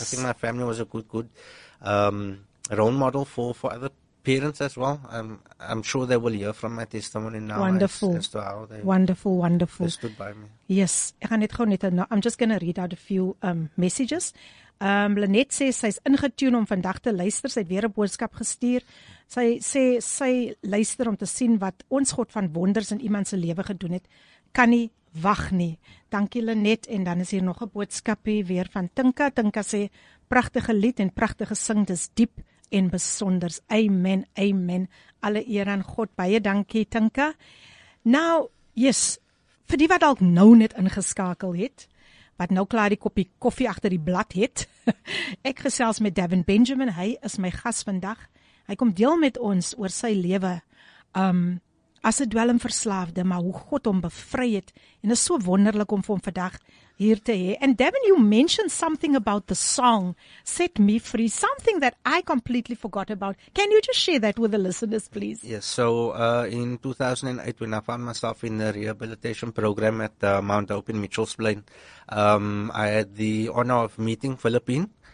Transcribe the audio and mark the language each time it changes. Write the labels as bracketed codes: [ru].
[en] I think my family was a good role model for other parents as well. I'm sure they will hear from my testimony now. Wonderful. As to how they wonderful. Stood by me. Yes. I'm just going to read out a few messages. [af] Lynette sê sy is ingetune om vandag te luister. Sy het weer 'n boodskap gestuur. Sy sê sy luister om te sien wat ons God van wonders in iemand se lewe gedoen het. Kan nie wag nie. Dankie Lynette. En dan is hier nog 'n boodskapie weer van Tinka. Tinka sê pragtige lied en pragtige sing, dis diep en besonder. Amen, amen. Alle eer aan God. Baie dankie Tinka. Nou, yes, vir die wat dalk nou net ingeskakel het, wat nou klaar die koppie koffie agter die blad het. Ek gesels met Devin Benjamin. Hy is my gas vandag. Hy kom deel met ons oor sy lewe. as 'n dwelmverslaafde, maar hoe God hom bevry het. En is so wonderlik om vir hom vandag hier te hê. [en] And Devin, you mentioned something about the song Set Me Free, something that I completely forgot about. Can you just share that with the listeners, please? Yes, so in 2008, when I found myself in the rehabilitation program at Mount Hope in Mitchell's Plain, I had the honor of meeting Philippine.